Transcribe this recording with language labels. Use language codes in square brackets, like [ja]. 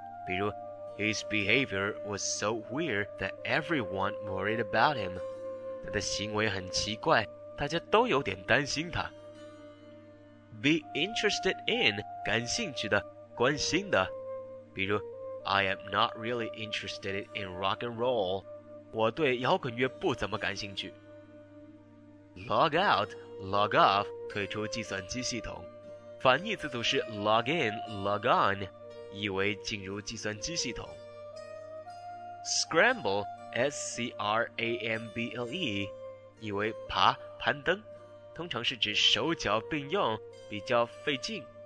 [zh] 比如 [en] His behavior was so weird that everyone worried about him. [zh] 他的行为很奇怪，大家都有点担心他。 Be interested in, 感兴趣的，关心的。比如 [en] I am not really interested in rock and roll. [zh] 我对摇滚乐不怎么感兴趣。 Log out, log off,退出计算机系统，反义词组是 log in, log on, 意为进入计算机系统。 Scramble, S-C-R-A-M-B-L-E, 意为爬、攀登，通常是指手脚并用，比较费劲。